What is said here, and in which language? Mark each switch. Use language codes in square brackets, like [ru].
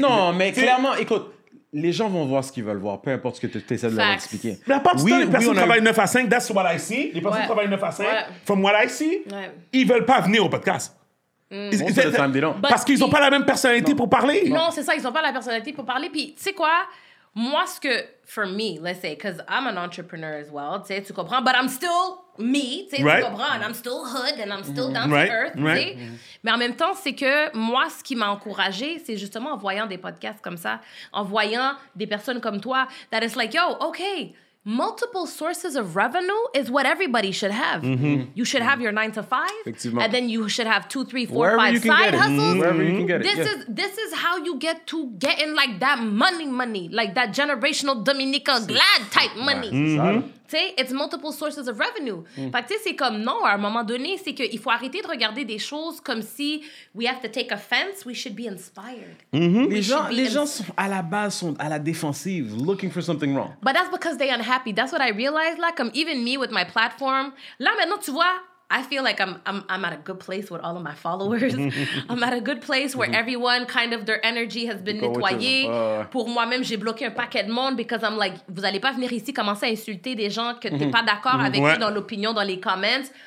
[fr] Non, mais clairement, écoute, les gens vont voir ce qu'ils veulent voir, peu importe ce que tu essaies de leur expliquer. Mais à part du temps, les personnes travaillent 9 à 5, [en] that's what I see. [fr] Les personnes travaillent 9 à 5, [en] from what I see, [fr] ils veulent pas venir au podcast. Parce qu'ils ont pas la même personnalité pour parler. Non, c'est ça, ils ont pas la personnalité pour parler. Puis, tu sais quoi? Moi, ce que, [en] for me, let's say, because I'm an entrepreneur as well, [fr] tu sais, tu comprends? [en] But I'm still me, [fr] tu sais, tu comprends? [en] And I'm still hood, and I'm still down to earth, tu sais? [fr] Mais en même temps, c'est que moi, ce qui m'a encouragée, c'est justement en voyant des podcasts comme ça, en voyant des personnes comme toi, [en] that it's like, yo, okay, multiple sources of revenue is what everybody should have. Mm-hmm. You should have your 9-to-5, [fr] effectivement. [en] And then you should have 2, 3, 4, wherever 5 side hustles. Wherever you can get it. This is how you get to get in like that money, like that generational Dominica Glad type money. Mm-hmm. [fr] T'sais, [en] it's multiple sources of revenue. [fr] Mm. Fait que t'sais, c'est comme non, à un moment donné, c'est qu'il faut arrêter de regarder des choses comme si [en] we have to take offense, we should be inspired. Mm-hmm. [fr] Les gens sont à la base, sont à la défensive, [en] looking for something wrong. But that's because they're unhappy. That's what I realized, like, even me with my platform. [fr] Là, maintenant, tu vois, [en] I feel like I'm at a good place with all of my followers. I'm at a good place where everyone, kind of, their energy has been nettoyée. [fr] Pour moi-même, j'ai bloqué un paquet de monde [en] because I'm like, [fr] vous allez pas venir ici commencer à insulter des gens que t'es pas d'accord avec eux dans l'opinion, dans les comments.